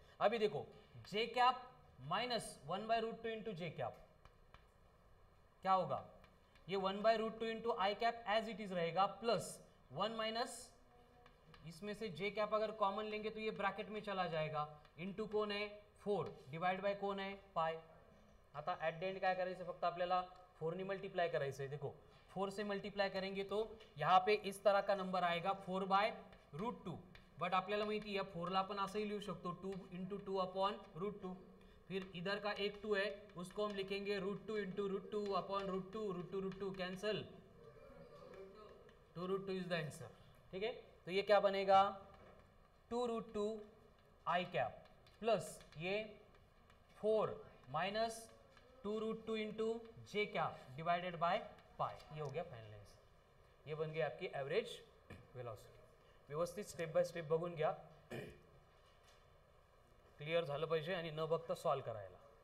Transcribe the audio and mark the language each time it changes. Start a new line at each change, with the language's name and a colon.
Hindi: अभी देखो जे cap minus 1/√2 into जे cap क्या होगा, ये 1/√2 into I cap as it is रहेगा प्लस 1 माइनस, इसमें से जे कैप अगर कॉमन लेंगे तो ये ब्रैकेट में चला जाएगा, इंटू कौन है 4 डिवाइड बाय कौन है पाई।
Marathi: आता एट द एंड क्या करायचं, फक्त आपल्याला 4 ने मल्टीप्लाई करायचं आहे।
Hindi: देखो 4 से मल्टीप्लाई करेंगे तो यहाँ पे इस तरह का नंबर आएगा 4/√2, बट
Marathi: आपल्याला माहिती आहे 4 ला आपण असंही लिहू शकतो
Hindi: 2 × 2/√2। फिर इधर का एक 2 है, उसको हम लिखेंगे √2 × √2/√2 कैंसल, 2√2 इज द आंसर। ठीक है, तो ये क्या बनेगा, 2√2 आई कैप प्लस ये 4 minus 2√2 into J cap divided by pi, ये हो गया फाइनल आंसर, ये बन गया आपकी एवरेज वेलोसिटी।
Marathi: व्यवस्थित स्टेप बाय स्टेप बघून घ्या, क्लियर झालं पाहिजे आणि न बघता सॉल्व करायला।